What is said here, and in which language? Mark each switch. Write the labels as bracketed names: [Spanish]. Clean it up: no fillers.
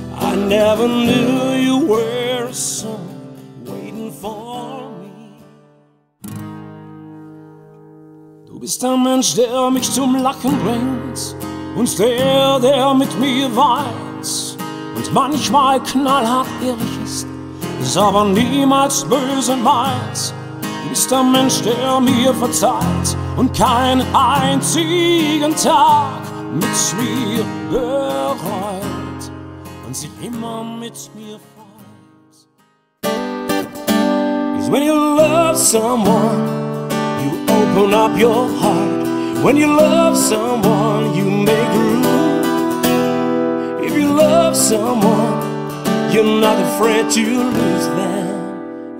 [English] I never knew you were so waiting for me. [German] Du bist ein Mensch, der mich zum Lachen bringt. Und der, der mit mir weint. Und manchmal knallhart ehrlich ist, ist aber niemals böse meint. Ist der Mensch, der mir verzeiht und keinen einzigen Tag mit mir bereut und sich immer mit mir freut. [English] It's when you love someone, you open up your heart. When you love someone, you make room. If you love someone, you're not afraid to lose them.